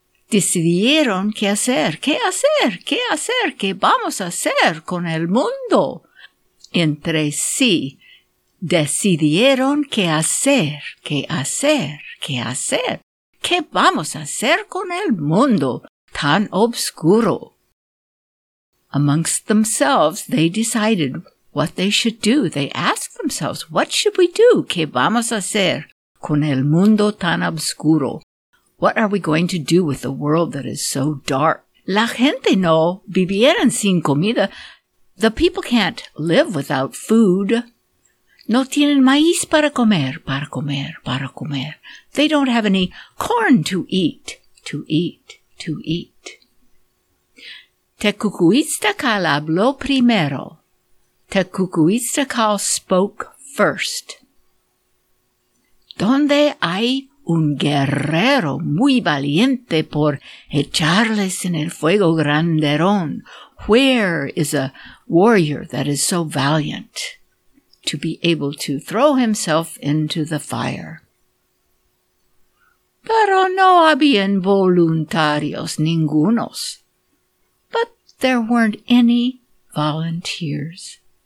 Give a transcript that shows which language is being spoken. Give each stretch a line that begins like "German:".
Spanish: Decidieron qué hacer, qué hacer, qué hacer, qué vamos a hacer con el mundo. Entre sí. Decidieron qué hacer, qué hacer, qué hacer. Qué vamos a hacer con el mundo tan oscuro.
English: Amongst themselves, they decided what they should do. They asked themselves, what should we do?
Spanish: ¿Qué vamos a hacer con el mundo tan oscuro?
English: What are we going to do with the world that is so dark?
Spanish: La gente no vivieron sin comida.
English: The people can't live without food.
Spanish: No tienen maíz para comer, para comer, para comer.
English: They don't have any corn to eat, to eat, to eat.
Spanish: Tecucu Itztecal habló primero.
English: Tecucu Itztecal spoke first.
Spanish: ¿Dónde hay un guerrero muy valiente por echarles en el fuego granderón?
English: Where is a warrior that is so valiant to be able to throw himself into the fire?
Spanish: Pero no habían voluntarios ningunos.
English: But there weren't any volunteers.